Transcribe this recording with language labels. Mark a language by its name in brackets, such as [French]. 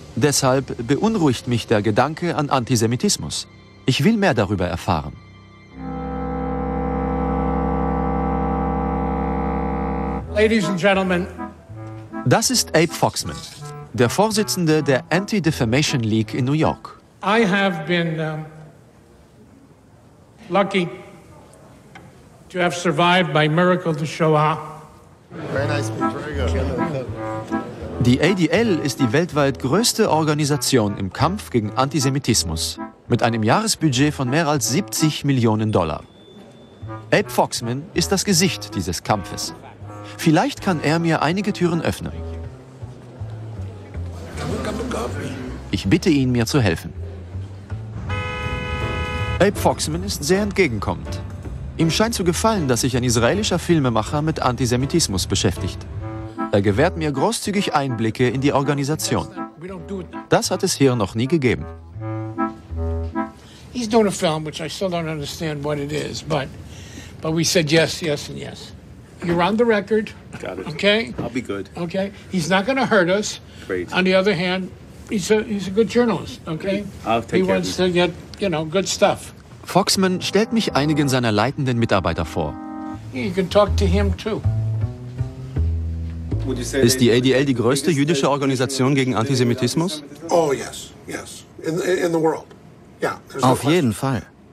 [German] Deshalb beunruhigt mich der Gedanke an Antisemitismus. Ich will mehr darüber erfahren. [English] Ladies and gentlemen. [German] Das ist Abe Foxman, der Vorsitzende der Anti-Defamation League in New York. [English] I have been lucky to have survived by miracle the Shoah. [German] Die ADL ist die weltweit größte Organisation im Kampf gegen Antisemitismus mit einem Jahresbudget von mehr als 70 Millionen Dollar. Abe Foxman ist das Gesicht dieses Kampfes. Vielleicht kann er mir einige Türen öffnen. Ich bitte ihn, mir zu helfen. Abe Foxman ist sehr entgegenkommend. Ihm scheint zu gefallen, dass sich ein israelischer Filmemacher mit Antisemitismus beschäftigt. Er gewährt mir großzügig Einblicke in die Organisation. Das hat es hier noch nie gegeben. [English] He's doing a film, which I still don't understand what it is, but we said yes, yes and yes. You're on the record. Got it. Okay? I'll be good. Okay? He's not going to hurt us. Great. On the other hand, he's a good journalist, okay? I'll take He wants to get, you know, good stuff. [German] Foxman stellt mich einigen seiner leitenden Mitarbeiter vor. [English] You can talk to him too. [German] Ist die ADL die größte jüdische Organisation gegen Antisemitismus? [English] Oh, yes, yes. In the world. Yeah, [German] auf jeden Fall.